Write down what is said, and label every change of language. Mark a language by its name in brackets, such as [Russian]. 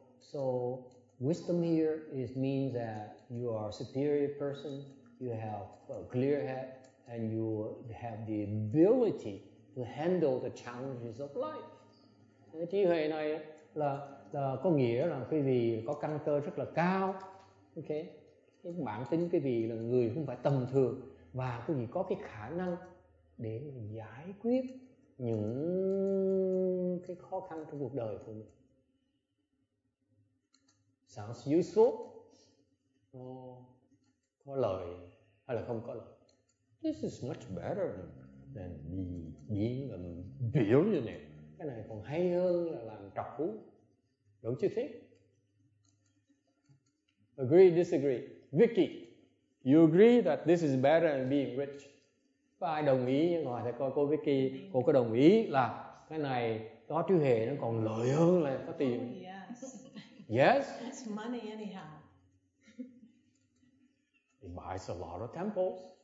[English] So wisdom here is means that you are a superior person, you have a clear head, and you have the ability to handle the challenges of life. [Vietnamese] Trí huệ này là có nghĩa là quý vị có căn cơ rất là cao. Okay. Cái bản tính quý vị là người không phải tầm thường và quý vị có cái khả năng để giải quyết những cái khó khăn trong cuộc đời của mình. [English] Sounds useful. [Vietnamese] Có lợi hay là không có lợi? [English] This is much better than being a billionaire. [Vietnamese] Cái này còn hay hơn là làm trọc phú. [English] Don't you think? Agree, disagree? Vicky, You agree that this is better than being rich. [Vietnamese] Và ai đồng ý, ngồi thầy coi cô Vicky, cô có đồng ý là cái này có trí huệ nó còn lợi hơn là có tiền. [English] Oh, yes. Yes. It's money anyhow. It buys a lot of temples.